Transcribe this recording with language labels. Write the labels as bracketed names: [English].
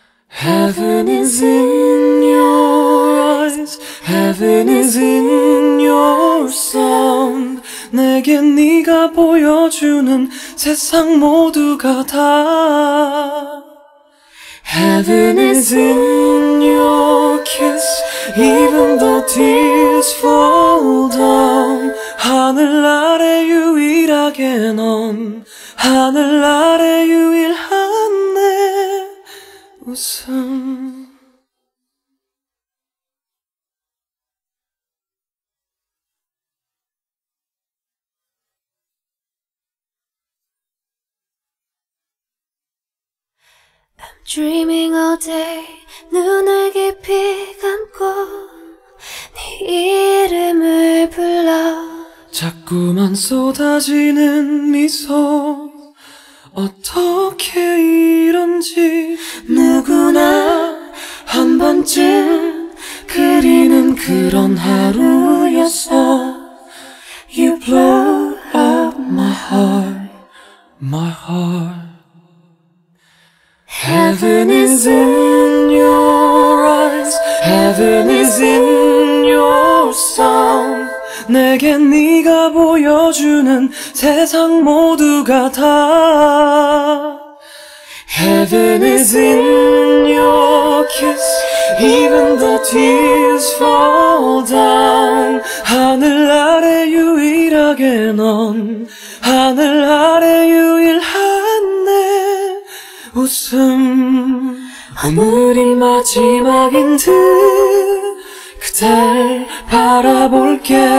[English] Heaven is in your eyes, heaven is in your song. [Korean] 내게 네가 보여주는 세상 모두가 다. [English] Heaven is in your kiss, even though tears fall down. [Korean] 하늘 아래 유일하게 넌, 하늘 아래 유일한 내 웃음. [English] 'Dreaming all day, [Korean] 눈을 깊이 감고 네 이름을 불러. 자꾸만 쏟아지는 미소, 어떻게 이런지. 누구나 한 번쯤 그리는 그런 하루였어. [English] You blow up my heart, my heart. Heaven is in your eyes, heaven is in your song. [Korean] 내게 네가 보여주는 세상 모두가 다. [English] Heaven is in your kiss, even though tears fall down. [Korean] 하늘 아래 유일하게 넌, 하늘 아래 유일한 내 웃음. 오늘이 마지막인 듯 그댈 바라볼게.